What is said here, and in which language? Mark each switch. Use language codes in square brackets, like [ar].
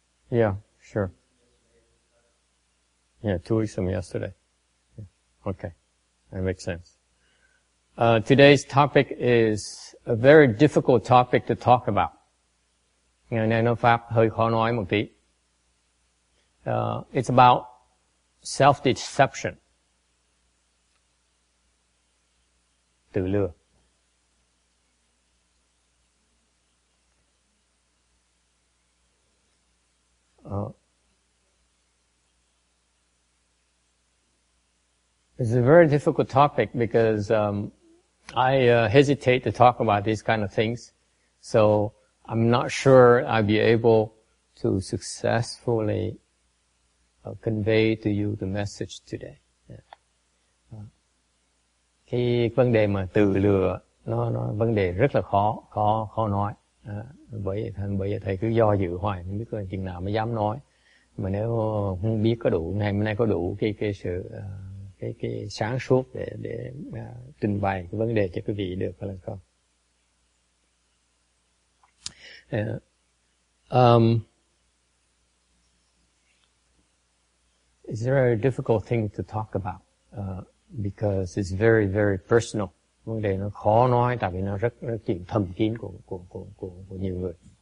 [en] Yeah, sure. Yeah, 2 weeks from yesterday. Yeah. Okay, that makes sense. Today's topic is a very difficult topic to talk about. [vi] Ngày nói pháp hơi khó nói một tí. [en] It's about self-deception. [vi] Tự lừa. [en] It's a very difficult topic because I hesitate to talk about these kind of things. So I'm not sure I'll be able to successfully convey to you the message today. [vi] Cái vấn đề mà tự lừa nó vấn đề rất là khó nói. Bởi vì thầy cứ do dự hoài, không biết là chừng nào mới dám nói. Mà nếu không biết có đủ ngày hôm nay có đủ cái sáng suốt để trình bày cái vấn đề cho quý vị được hay là không. [en] It's a very difficult thing to talk about because it's very very personal. [vi] Vấn đề nó khó nói tại vì nó rất là chuyện thầm kín của nhiều người.